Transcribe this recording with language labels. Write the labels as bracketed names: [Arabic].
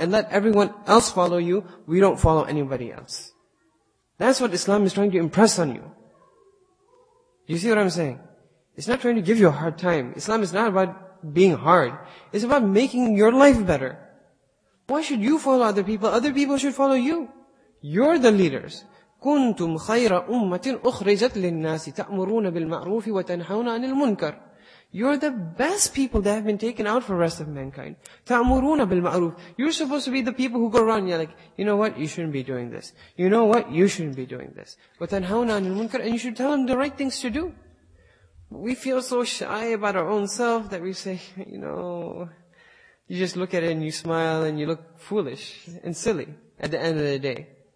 [English] And let everyone else follow you. We don't follow anybody else. That's what Islam is trying to impress on you. You see what I'm saying? It's not trying to give you a hard time. Islam is not about being hard. It's about making your life better. Why should you follow other people? Other people should follow you. You're the leaders. [Arabic] كنتم خير أمة أخرجت للناس تأمرون بالمعروف وتنهون عن المنكر. [English] You're the best people that have been taken out for the rest of mankind. [Arabic] تأمرون بالمعروف. [English] You're supposed to be the people who go around. You're like, you know what? You shouldn't be doing this. You know what? You shouldn't be doing this. [Arabic] وتنهون عن المنكر. [English] And you should tell them the right things to do. We feel so shy about our own self that we say, you know, you just look at it and you smile and you look foolish and silly at the end of the day.